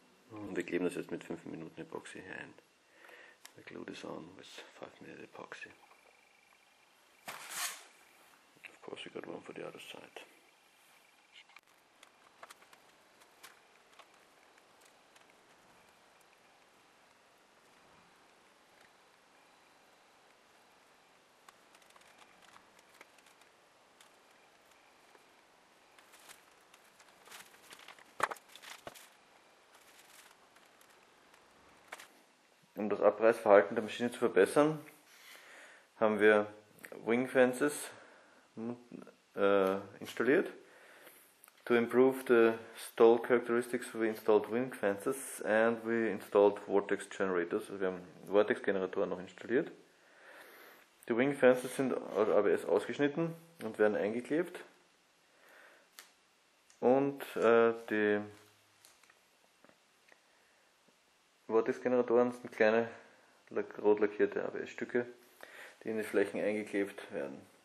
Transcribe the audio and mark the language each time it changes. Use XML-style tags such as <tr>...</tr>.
<de>Und wir kleben das jetzt mit 5 Minuten Epoxy hier ein.</de> <en>We glue this on with 5 Minuten Epoxy. Of course we got one for the other side.</en> <de>Um das Abreißverhalten der Maschine zu verbessern, haben wir Wing Fences installiert.</de> <en>To improve the stall characteristics, we installed Wing Fences and we installed Vortex Generators.</en> <de>Also wir haben Vortex Generatoren noch installiert. Die Wing Fences sind aus ABS ausgeschnitten und werden eingeklebt. Und die Vortex-Generatoren sind kleine rot lackierte ABS-Stücke, die in die Flächen eingeklebt werden.</de>